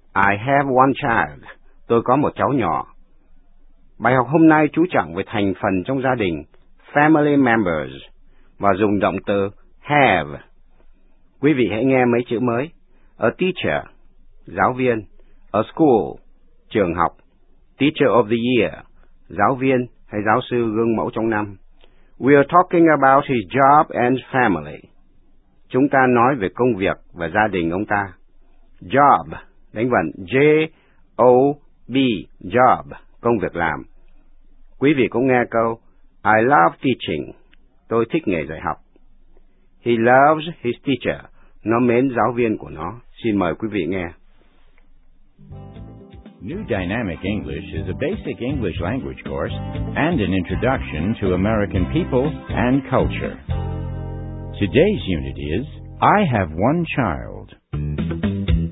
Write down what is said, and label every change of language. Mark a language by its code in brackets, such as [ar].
[en] I have one child. [vi] Tôi có một cháu nhỏ. Bài học hôm nay chú trọng về thành phần trong gia đình, [en] family members, [vi] và dùng động từ have. Quý vị hãy nghe mấy chữ mới. A teacher, giáo viên. [en] A school, [vi] trường học. [en] Teacher of the year, [vi] giáo viên hay giáo sư gương mẫu trong năm. [en] We are talking about his job and family. [vi] Chúng ta nói về công việc và gia đình ông ta. Job, đánh vần J-O-B, job, công việc làm. Quý vị cũng nghe câu, [en] I love teaching, [vi] tôi thích nghề dạy học. [en] He loves his teacher, [vi] nó mến giáo viên của nó. Xin mời quý vị nghe. [en] New Dynamic English is a basic English language course and an introduction to American people and culture. Today's unit is, I have one child.